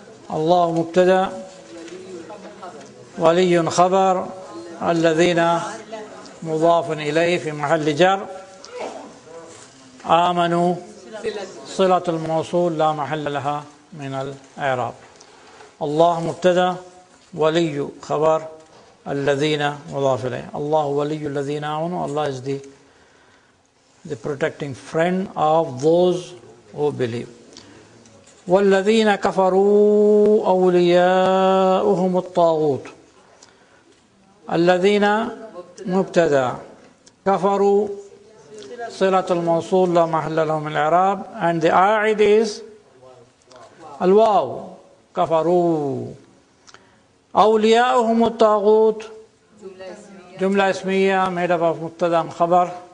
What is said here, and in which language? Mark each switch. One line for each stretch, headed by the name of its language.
Arabic: الله مبتدا ولي خبر الذين مضاف إليه في محل جر آمنوا صلة الموصول لا محل لها من الإعراب. الله مبتدا ولي خبر الذين مضاف إليه. الله ولي الذين آمنوا.
English: الله is the protecting friend of those who believe.
Arabic: والذين كفروا أولياؤهم الطاغوت. الذين مبتدا كفروا صلة الموصول لا محل لهم من الإعراب.
English: And the
Arabic: قاعد is الواو كفروا أولياؤهم الطاغوت جملة اسمية
English: made up of
Arabic: مبتدا خبر.